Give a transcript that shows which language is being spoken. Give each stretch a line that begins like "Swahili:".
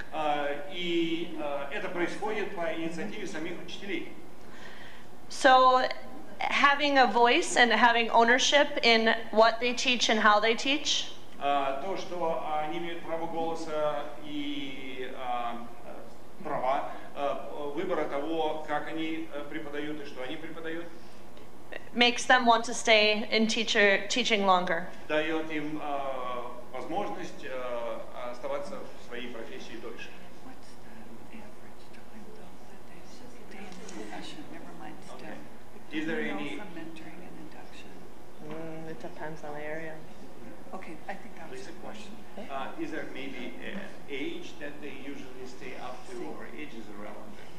Russian: Это происходит по инициативе самих учителей.
English: So, having a voice and having ownership in what they teach and how they teach.
Russian: То, что они имеют право голоса и права выбора того, как они преподают и что они преподают.
English: Makes them want to stay in teaching longer.
Russian: Дает им возможность оставаться в своей профессии дольше.
English: What's the average time though that they stay in profession? Never mind. Okay. Is there any mentoring and induction? It depends on the area. Okay, I think that was a question. Is there maybe an age that they usually stay up to, or age is irrelevant?